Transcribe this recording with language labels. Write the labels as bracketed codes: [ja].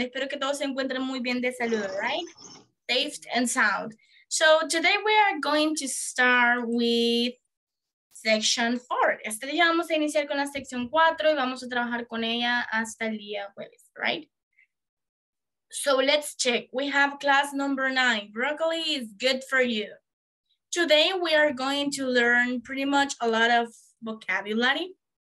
[es] Espero que todos se encuentren muy bien de salud, [en] right? Safe and sound. So today we are going to start with Section 4. [es] Este día vamos a iniciar con la sección 4 y vamos a trabajar con ella hasta el día jueves, [en] right? So let's check. We have class number 9. Broccoli is good for you. Today we are going to learn pretty much a lot of vocabulary.